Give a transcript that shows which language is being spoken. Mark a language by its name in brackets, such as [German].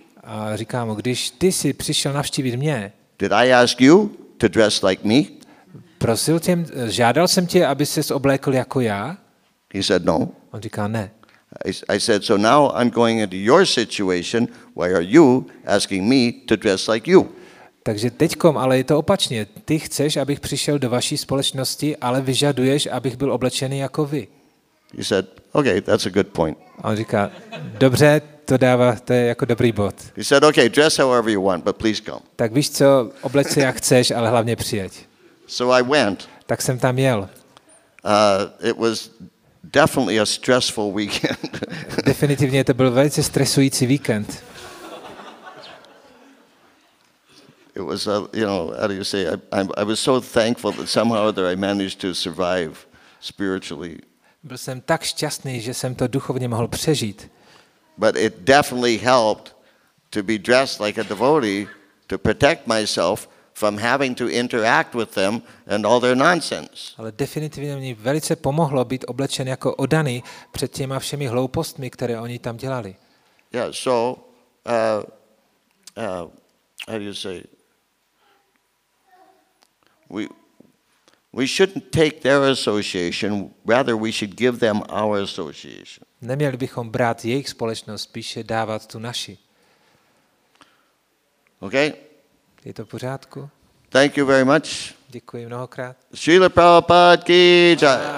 [Czech] A říká mu, když ty jsi přišel navštívit mě. [English] Did I ask you to dress like me? [Czech] Prosil tě, žádal jsem tě, aby ses oblékl jako já? [English] He said no. [Czech] On říká ne. [English] I said so now I'm going into your situation where are you asking me to dress like you? [Czech] Takže teďkom, ale je to opačně. Ty chceš, abych přišel do vaší společnosti, ale vyžaduješ, abych byl oblečený jako vy. [English] He said, okay, that's a good point. [Czech] On říká, dobře, to dává, to je jako dobrý bod. [English] He said, okay, dress however you want, but please come. [Czech] Tak víš co, obleč se jak chceš, ale hlavně přijeď. [English] So I went. [Czech] Tak jsem tam jel. [English] It was definitely a stressful weekend. [Czech] Definitivně to byl velice stresující víkend. [English] It was, you know, how do you say? I was so thankful that somehow or other I managed to survive spiritually. [Czech] Byl jsem tak šťastný, že jsem to duchovně mohl přežít. [English] But it definitely helped to be dressed like a devotee to protect myself from having to interact with them and all their nonsense. [Czech] Ale definitivně mi velice pomohlo být oblečen jako oddaný před těma všemi hloupostmi, které oni tam dělali. [English] Yeah, so how do you say? We shouldn't take their association, rather we should give them our association. [Czech] Neměli bychom brát jejich společnost, spíše dávat tu naši. [English] Okay? [Czech] Je to v pořádku? [English] Thank you very much. [Czech] Děkuji mnohokrát. [Hindi] Srila Prabhupada ki jai.